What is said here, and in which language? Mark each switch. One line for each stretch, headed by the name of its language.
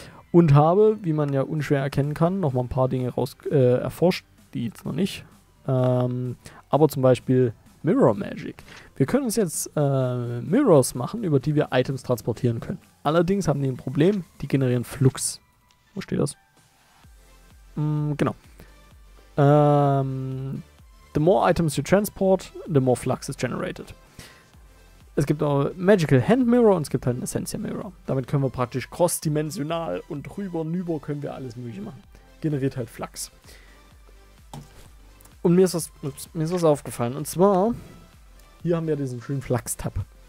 German: Und habe, wie man ja unschwer erkennen kann, nochmal ein paar Dinge raus erforscht, die jetzt noch nicht. aber zum Beispiel Mirror Magic. Wir können uns jetzt Mirrors machen, über die wir Items transportieren können. Allerdings haben die ein Problem, die generieren Flux. Wo steht das? Genau.
English: The more items you transport, the more flux is generated.
German: Es gibt auch Magical Hand Mirror und es gibt halt einen Essentia Mirror. Damit können wir praktisch cross-dimensional und rüber und über können wir alles mögliche machen. Generiert halt Flux. Und mir ist was aufgefallen. Und zwar, hier haben wir diesen schönen Flux-Tab.